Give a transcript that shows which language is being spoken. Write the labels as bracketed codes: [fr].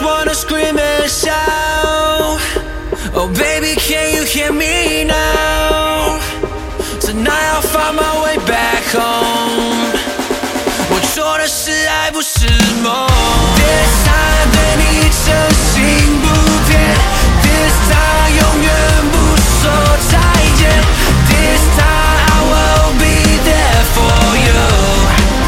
[en] Scream and shout, oh baby, can you hear me now? Tonight I'll find my way back home. [zh] 我做的是爱不是梦。 [en] This time [zh] 对你真心不变。 [en] This time [zh] 永远不说再见。 [en] This time I will be there for you.